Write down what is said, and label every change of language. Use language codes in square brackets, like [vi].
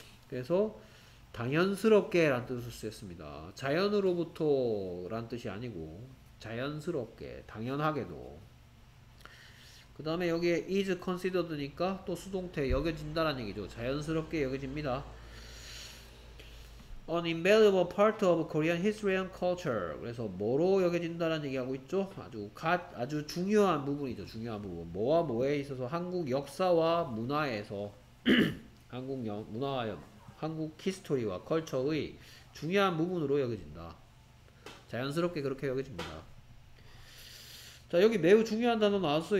[ko] 그래서 당연스럽게란 뜻을 쓰였습니다. 자연으로부터란 뜻이 아니고 자연스럽게 당연하게도. 그 다음에 여기에 is considered니까 또 수동태 여겨진다라는 얘기죠. 자연스럽게 여겨집니다. [en] An invaluable part of Korean history and culture. [ko] 그래서 뭐로 여겨진다라는 얘기하고 있죠. 아주 중요한 부분이죠. 중요한 부분. 뭐와 뭐에 있어서 한국 역사와 문화에서 한국 문화와 한국 히스토리와 컬처의 중요한 부분으로 여겨진다. 자연스럽게 그렇게 여겨집니다. 자, 여기 매우 중요한 단어 나왔어요.